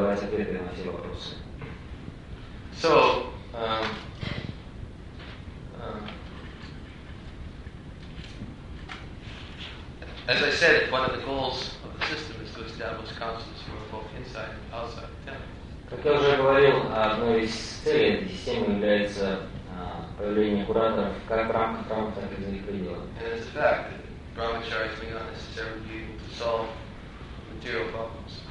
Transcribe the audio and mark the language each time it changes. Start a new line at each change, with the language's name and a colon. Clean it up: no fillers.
English: So, as I said, one of the goals of the system is to establish councils for both inside and outside the temple.
Russian: Как я уже говорил, одной из целей этой системы является появление кураторов как в рамках храма, так и за их пределами.
English: And it's a fact that brahmacharis may not necessarily be able to solve material problems.